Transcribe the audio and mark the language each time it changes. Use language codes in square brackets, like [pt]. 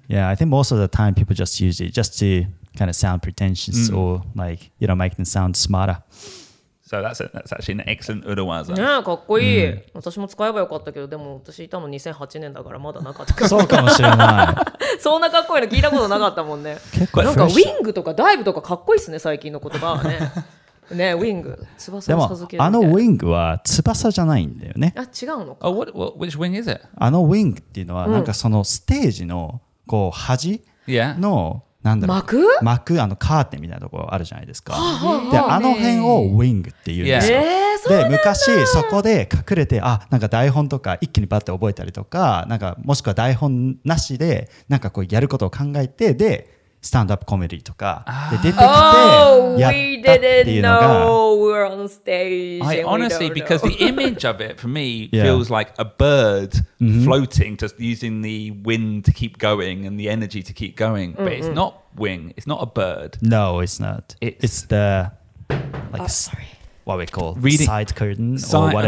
[en] Yeah, I think most of the time people just use it just to kind of sound pretentious or like, you know, make them sound smarter. So that's actually an excellent uruwaza. [ja] Yeah, かっこいい。私も使えばよかったけど、でも私いたの2008年だからまだなかったから。そうかもしれない。そんなかっこいいの聞いたことなかったもんね。結構なんかウィングとかダイブとかかっこいいっすね、最近の言葉はね。ね、ウィング、翼を授ける。でもあのウィングは翼じゃないんだよね。あ、違うのか。 [en] Which wing is it? [ja] あのウィングっていうのは、なんかそのステージのこう端の、 [en] yeah. [ja] なんだろう幕あのカーテンみたいなところあるじゃないですか、はあはあ、であの辺をウィングっていうんですよ、そうなんだ。で昔そこで隠れてあなんか台本とか一気にバッて覚えたりとか、なんかもしくは台本なしでなんかこうやることを考えて、でスタンドアップコメディとかで出てきてやったっていうのが、 [en] we're on stage I honestly because the image of it for me feels like a bird floating just using the wind to keep going and the energy to keep going but it's not wing, it's not a bird. No, it's not. It's the like what we call reading, side curtain or whatever.